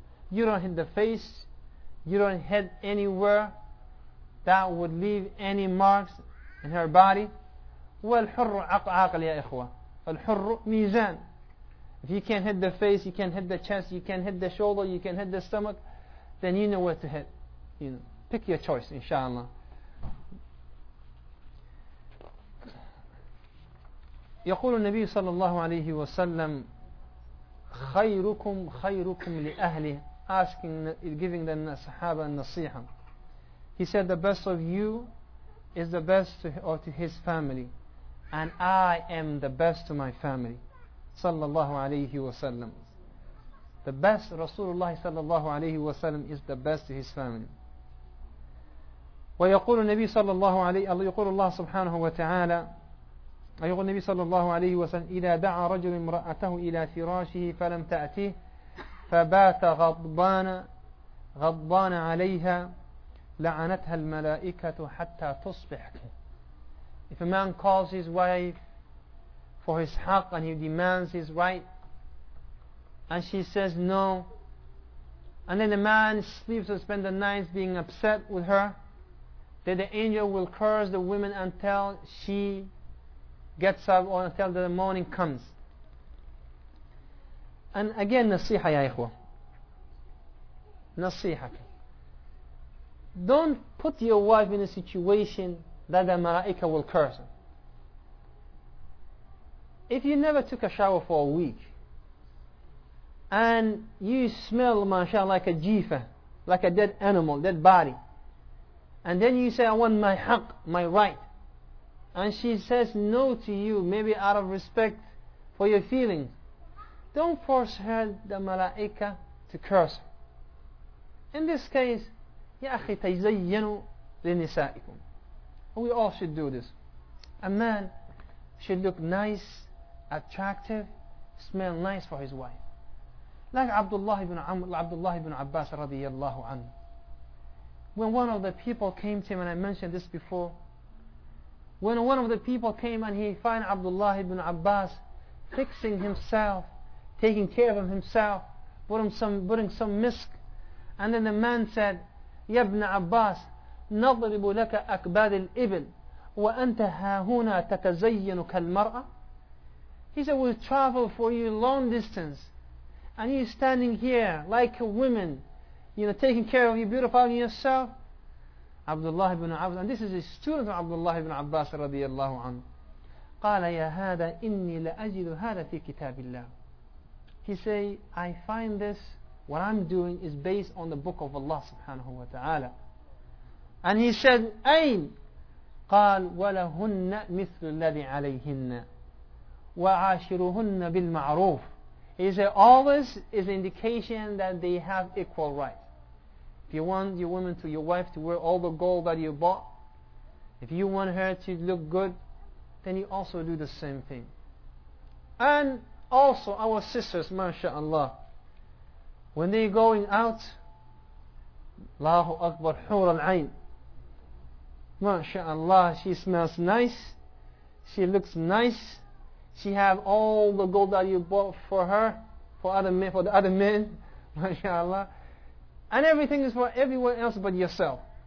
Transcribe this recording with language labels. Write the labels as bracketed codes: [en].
[en] You don't hit the face, you don't hit anywhere that would leave any marks in her body. [ar] وَالْحُرُّ عَقْعَقْلِ يَا إِخْوَى. الْحُرُّ ميزان. [en] If you can't hit the face, you can't hit the chest, you can't hit the shoulder, you can't hit the stomach, then you know where to hit. You know, pick your choice, inshallah. [ar] يقول النبي صلى الله عليه وسلم خيركم خيركم لأهله, [en] asking, giving the sahaba [ar] النصيحة. [en] He said, the best of you is the best to his family, and I am the best to my family. [ar] صلى الله عليه وسلم. [en] The best, Rasulullah [ar] صلى الله عليه وسلم [en] is the best to his family. [ar] ويقول النبي صلى الله عليه وسلم, يقول الله سبحانه وتعالى, يقول النبي صلى الله عليه وسلم, إذا دعا رجل امرأته إلى فراشه فلم تأته فبات غضبان غضبان عليها لعنتها الملائكة حتى تصبح. [en] If a man calls his wife for his haq and he demands his right, and she says no, and then the man sleeps or spends the night being upset with her, then the angel will curse the woman until she gets up or until the morning comes. And again, nasiha ya ikhwa, nasiha, don't put your wife in a situation that the malaika will curse her. If you never took a shower for a week and you smell, mashallah, like a jifa, like a dead animal, dead body, and then you say, I want my haq, my right, and she says no to you, maybe out of respect for your feelings, don't force her, the malaika, to curse her. In this case, [ar] يا أخي تزينوا لنسائكم. [en] We all should do this. A man should look nice, attractive, smell nice for his wife. Like Abdullah ibn Abbas radiyallahu anhu. When one of the people came to him, and I mentioned this before, when one of the people came and he found Abdullah ibn Abbas fixing himself, taking care of himself, putting some misk, and then the man said, [ar] يا ابن عباس نضرب لك أكباد الإبل وأنت هاهنا تتزين كالمرأة. [en] He said, we'll travel for you long distance, and you're standing here like a woman, you know, taking care of you, beautifying yourself. Abdullah ibn Abbas, and this is a student of Abdullah ibn Abbas radiyallahu anhu, [ar] قال يا هذا إني لأجد هذا في كتاب الله. [en] He say, I find this, what I'm doing is based on the book of Allah subhanahu wa ta'ala. And he said, أين؟ قال ولهن مثل الذي عليهن وعاشرهن بالمعروف. He said, all this is indication that they have equal rights. If you want your woman to your wife to wear all the gold that you bought, if you want her to look good, then you also do the same thing. And also our sisters, mashallah, when they're going out, Allahu Akbar, Hur al-Ain, mashallah, she smells nice, she looks nice, she have all the gold that you bought for her, for the other men, mashallah, and everything is for everyone else but yourself.